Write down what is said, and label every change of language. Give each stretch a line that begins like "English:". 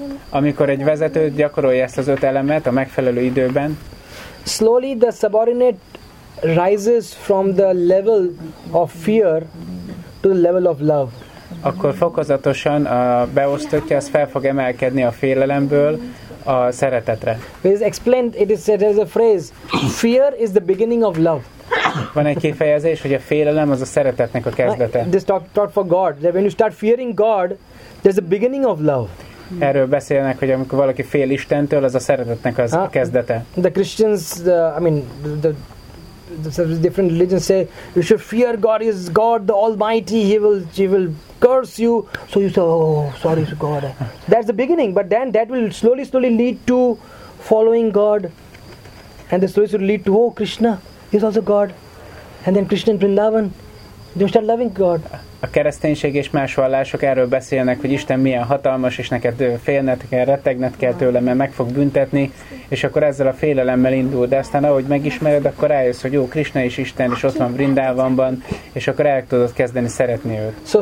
Hungarian: amikor egy vezető gyakorolja ezt az öt elemet a megfelelő időben,
English: slowly the subordinate rises from the level of fear to the level of love.
Hungarian: Akkor fokozatosan a beosztottja az fel fog emelkedni a félelemből a szeretetre.
English: It is explained, it is said as a phrase, fear is the beginning of love.
Hungarian: Van egy kifejezés, hogy a félelem az a szeretetnek a kezdete.
English: This talk for God, that when you start fearing God, there's a beginning of love.
Hungarian: Erről beszélnek, hogy amikor valaki fél Istentől, az a szeretetnek az a kezdete.
English: The Christians, the different religions say you should fear God, is God the Almighty, he will curse you, so you say, oh sorry to God. That's the beginning, but then that will slowly lead to following God, and the slowly will lead to, oh, Krishna, he's also God, and then Krishna in Vrindavan, Just a loving God.
Hungarian: A kereszténység és más vallások erről beszélnek, hogy Isten milyen hatalmas, és neked félned kell, rettegned kell tőle, mert meg fog büntetni, és akkor ezzel a félelemmel indul. De aztán ahogy megismered, akkor rájössz, hogy jó, Krishna is Isten, és ott van Vrindávanban, és akkor el tudod kezdeni szeretni őt.